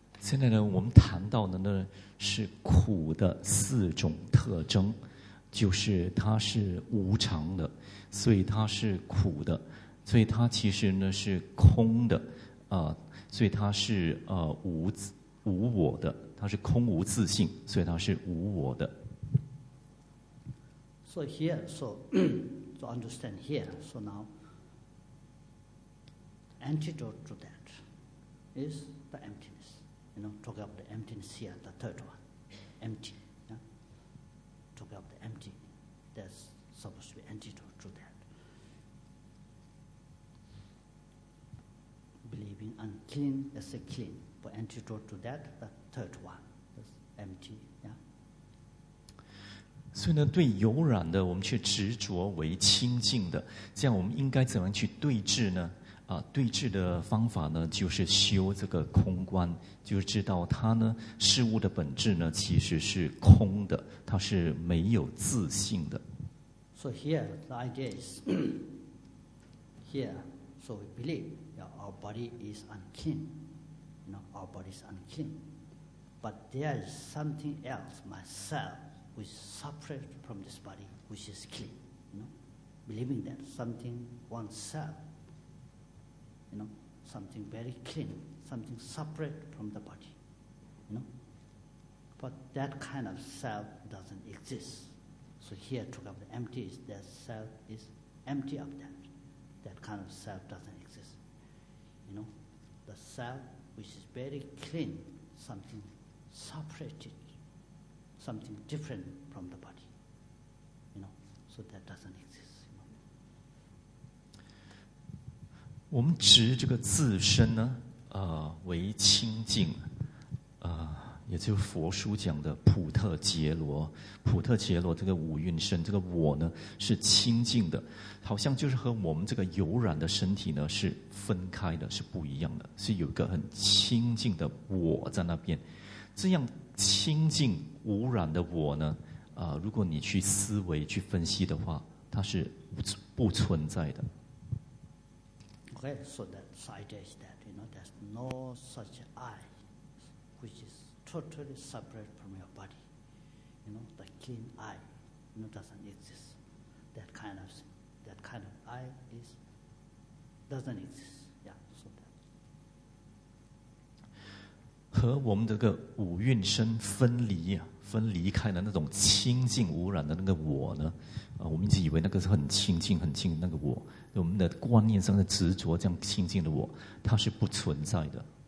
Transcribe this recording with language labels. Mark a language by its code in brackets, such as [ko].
[zh] 现在呢，我们谈到的呢是苦的四种特征，就是它是无常的，所以它是苦的，所以它其实呢是空的，所以它是无我的，它是空无自性，所以它是无我的。 [en] So here, so to understand here, so now, antidote to that is the emptiness. You know, talking about the emptiness here, the third one, empty. Yeah? Talking about the empty, that's supposed to be antidote to that. Believing unclean, let's say clean, but antidote to that, the third one, that's empty. Yeah. [zh] 所以呢，对有染的我们却执着为清净的，这样我们应该怎样去对治呢？对治的方法呢，就是修这个空观，就是知道它呢，事物的本质呢，其实是空的，它是没有自性的。 [en] So here the idea is, here, so we believe, yeah, our body is unclean, you know, our body is unclean, but there is something else, myself. Which separate from this body, which is clean, you know, believing that something oneself, you know, something very clean, something separate from the body, you know, but that kind of self doesn't exist. So here, talk about the empty is that self is empty of that. That kind of self doesn't exist. You know, the self which is very clean, something separated. Something different from the body, you know. So that doesn't exist. You know? [zh] 我们执这个自身呢，为清净，也就是佛书讲的普特杰罗，普特杰罗这个五蕴身，这个我呢是清净的，好像就是和我们这个有染的身体呢是分开的，是不一样的，是有一个很清净的我在那边，这样。清净无染的我呢，如果你去思维去分析的话，它是不存在的。 [en] Okay, so that idea is that you know there's no such I, which is totally separate from your body. You know, the clean I, you know, doesn't exist. That kind of I is doesn't exist. [zh] 和我们这个五蕴身分离啊，分离开的那种清净无染的那个我呢，我们一直以为那个是很清净、很清净那个我，我们的观念上的执着这样清净的我，它是不存在的。